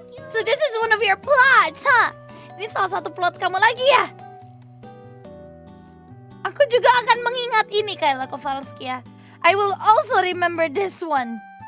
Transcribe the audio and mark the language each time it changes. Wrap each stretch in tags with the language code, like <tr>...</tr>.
<en>So this is one of your plots, huh?</en> <id>Ini salah satu plot kamu lagi, ya? Aku juga akan mengingat ini, Kaela Kovalskia.</id> <en>I will also remember this one.</en>